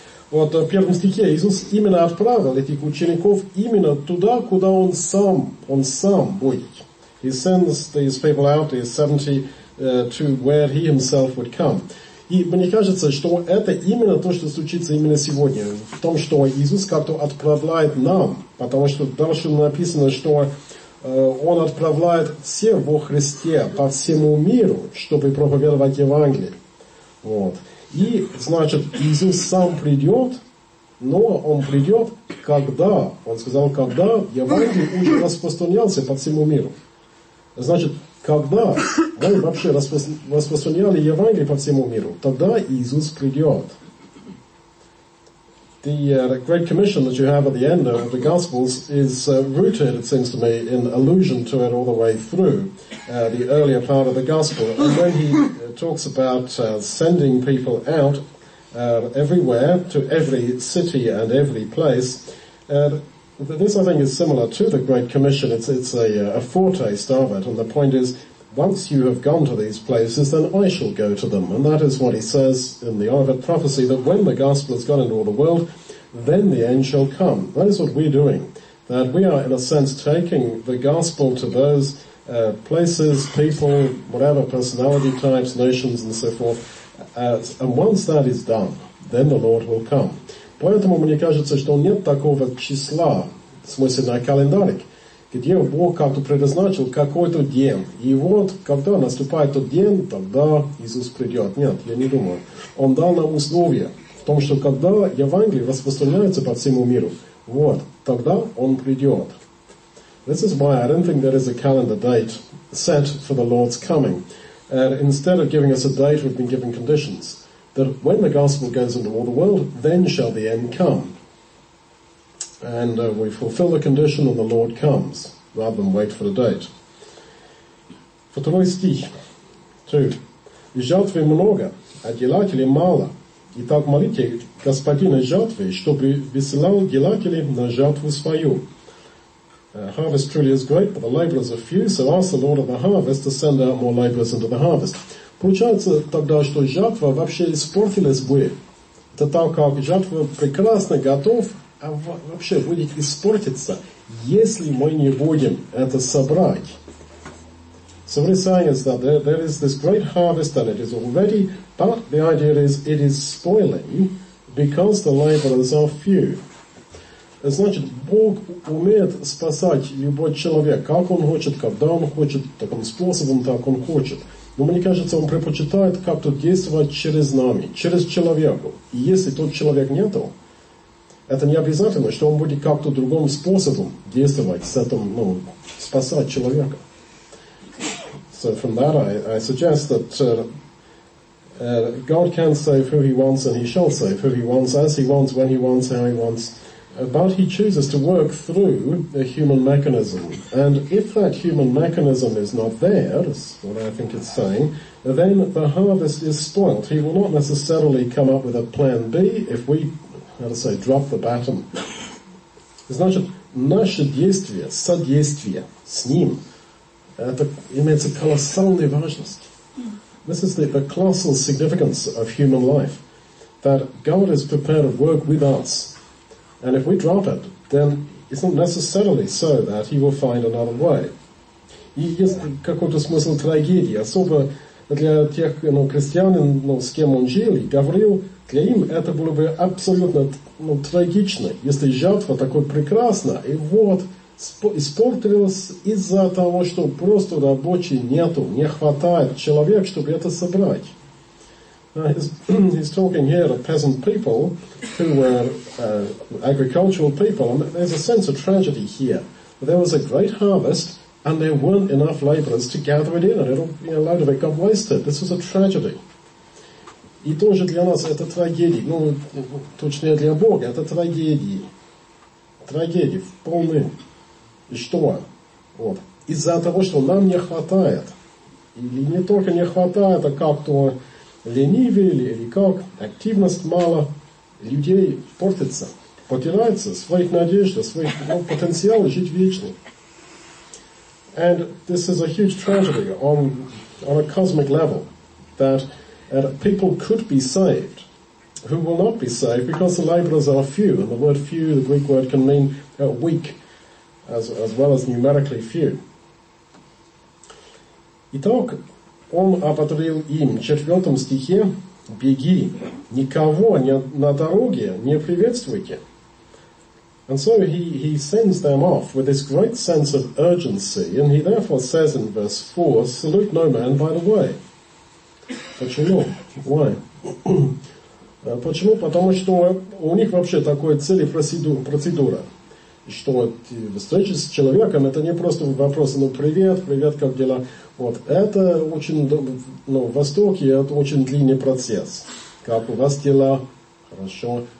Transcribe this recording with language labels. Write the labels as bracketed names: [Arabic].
[Russian] Вот в первом стихе Иисус именно отправил этих учеников именно туда, куда Он сам будет. [English] He sends these people out, these 70, to where He Himself would come. [Russian] И мне кажется, что это именно то, что случится именно сегодня, в том, что Иисус как-то отправляет нам, потому что дальше написано, что Он отправляет все во Христе по всему миру, чтобы проповедовать Евангелие. Вот. И, значит, Иисус сам придет, но Он придет, когда, Он сказал, когда Евангелие уже распространялся по всему миру. Значит, когда мы вообще распространяли Евангелие по всему миру, тогда Иисус придет. [English] The great commission that you have at the end of the Gospels is rooted, it seems to me, in allusion to it all the way through the earlier part of the Gospel. And when he talks about sending people out everywhere, to every city and every place, this, I think, is similar to the Great Commission. It's a foretaste of it. And the point is, once you have gone to these places, then I shall go to them. And that is what he says in the Olivet prophecy, that when the gospel has gone into all the world, then the end shall come. That is what we're doing. That we are, in a sense, taking the gospel to those places, people, whatever, personality types, nations, and so forth. And once that is done, then the Lord will come. [Russian] Поэтому мне кажется, что нет такого числа, в смысле на календарик, где Бог как-то предназначил какой-то день. И вот, когда наступает тот день, тогда Иисус придет. Нет, я не думаю. Он дал нам условия в том, что когда Евангелие распространяется по всему миру, вот, тогда Он придет. [English] This is why I don't think there is a calendar date set for the Lord's coming. Instead of giving us a date, we've been given conditions. That when the gospel goes into all the world, then shall the end come. And we fulfill the condition and the Lord comes, rather than wait for the date. [Russian] Второй стих. 2. Жертвы много, а делателей мало. Итак, молите Господина жертвы, чтобы высылал делателей на жертву свою. [English] Harvest truly is great, but the laborers are few, so ask the Lord of the harvest to send out more laborers into the harvest. [Russian] Получается тогда, что жатва вообще испортилась бы. Это так, как жатва прекрасно готов, а вообще будет испортиться, если мы не будем это собрать. [English] So what he's saying is that there is this great harvest and it is already, but the idea is it is spoiling because the laborers are few. [Russian] Значит, Бог умеет спасать любой человек, как он хочет, когда он хочет, таким способом, так он хочет. Но мне кажется, он предпочитает как-то действовать через нами, через человека. И если тот человек нету, это не обязательно, что он будет как-то другим способом действовать с этим, ну, спасать человека. [English] So from that I suggest that God can save who he wants and he shall save who he wants, as he wants, when he wants, how he wants. But he chooses to work through a human mechanism. And if that human mechanism is not there, is what I think it's saying, then the harvest is spoilt. He will not necessarily come up with a plan B if we, how to say, drop the baton. [Russian] Значит, наше действие, содействие с ним, это имеется колоссальная важность. [English] This is the colossal significance of human life, that God is prepared to work with us. And if we drop it, then it's not necessarily so that he will find another way. [Russian] И есть какой-то смысл трагедии, особо для тех, ну, крестьян, ну, с кем он жил и говорил, для им это было бы абсолютно, ну, трагично, если жертва такой прекрасна, и вот испортилась из-за того, что просто рабочей нету, не хватает человек, чтобы это собрать. [English] He's talking here to peasant people who were agricultural people, and there's a sense of tragedy here. There was a great harvest, and there weren't enough laborers to gather it in, and a load of it got wasted. This was a tragedy. [Russian] И тоже для нас это трагедия. Ну, точнее для Бога это трагедия. Трагедия в полной. Что? Вот. Из-за того, что нам не хватает. Или не только не хватает, а как-то ленивые или как, активность мало, людей портится, потеряется своих надежд, своих потенциалов жить вечно. [English] And this is a huge tragedy on a cosmic level, that people could be saved who will not be saved because the laborers are few. And the word few, the Greek word, can mean weak, as well as numerically few. [Russian] Итак, он ободрил им в четвертом стихе: «Беги, никого на дороге не приветствуйте». [English] And so he sends them off with this great sense of urgency, and he therefore says in verse 4, salute no man by the way. [Russian] Почему? [English] Why? [Russian] Почему? Потому что у них вообще такой цели процедура, что встреча с человеком — это не просто вопрос, ну, привет, привет, как дела? Вот это очень, ну, в Востоке это очень длинный процесс. Как у вас дела? Хорошо.